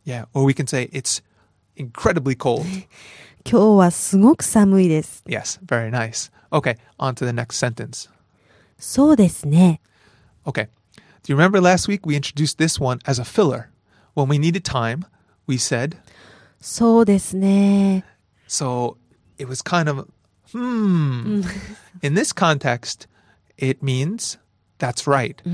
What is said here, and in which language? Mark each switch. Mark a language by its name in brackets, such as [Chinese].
[English] Yeah, or we can say it's incredibly cold. [Japanese] 今日はすごく寒いです. [English] Yes, very nice. Okay, on to the next sentence. [Japanese] そうですね. [English] Okay, do you remember last week we introduced this one as a filler? When we needed time, we said... [Japanese] そうですね. [English] So it was kind of... In this context, it means that's right.